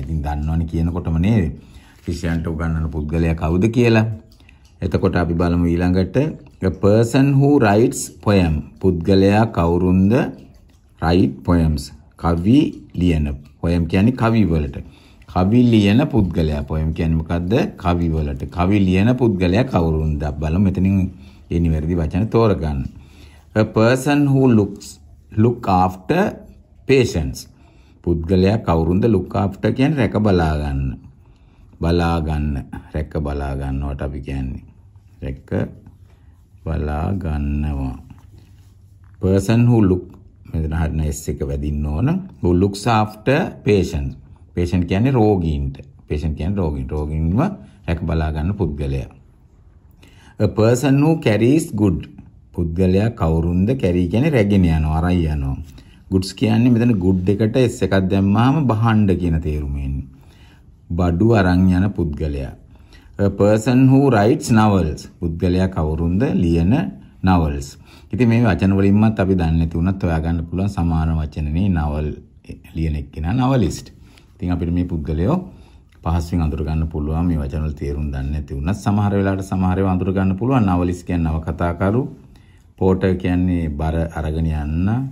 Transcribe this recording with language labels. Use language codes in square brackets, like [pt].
[si] ඉතින් දන්නවනේ කියනකොටම නේද? ශිෂ්‍යයන්ට උගන්වන පුද්ගලයා කවුද කියලා. එතකොට අපි බලමු ඊළඟට [en] a person who writes poem. [si] පුද්ගලයා කවුරුන්ද? [en] write poems. [si] කවි ලියන. poem කියන්නේ කවි වලට. කවි ලියන පුද්ගලයා. poem කියන්නේ මොකද්ද? කවි වලට. කවි ලියන පුද්ගලයා කවුරුන්ද? බලමු මෙතනින් ඒ නිවැරදි වචන තෝරගන්න. [en] A person who look after patients. [si] පුද්ගලයා කවුරුන්ද look after කියන්නේ රැක බලා ගන්න. බලා ගන්න. රැක බලා ගන්නවට අපි කියන්නේ. රැක බලා ගන්නවා. [en] Person who look [si] මෙතන හරින S එක වැදින්න ඕන. [en] Who looks after patients. [si] Patient කියන්නේ රෝගීන්ට. Patient කියන්නේ රෝගීන්. රෝගීන්ව රැක බලා ගන්න පුද්ගලයා. [en] A person who carries good. [si] පුද්ගලයා කවුරුන්ද කැරි කියන්නේ රැගෙන යනවා අරන් යනවා goods කියන්නේ මෙතන good එකට s එකක් දැම්මාම බහණ්ඩ කියන තේරුම එන්නේ බඩු අරන් යන පුද්ගලයා [en] a person who writes novels [si] පුද්ගලයා කවුරුන්ද ලියන novels ඉතින් මේ වචන වලින්මත් අපි දන්නේ නැති වුණත් ඔයා ගන්න පුළුවන් සමාන වචනනේ novel ලියන එක්කෙනා novelist ඉතින් අපිට මේ පුද්ගලයෝ පහසුවෙන් අඳුර ගන්න පුළුවන් මේ වචන වල තේරුම් දන්නේ නැති වුණත් සමහර වෙලාවට සමහර ඒවා අඳුර ගන්න පුළුවන් novelist කියන්නේ නවකතාකරු පෝටර් කියන්නේ බර අරගෙන යන්න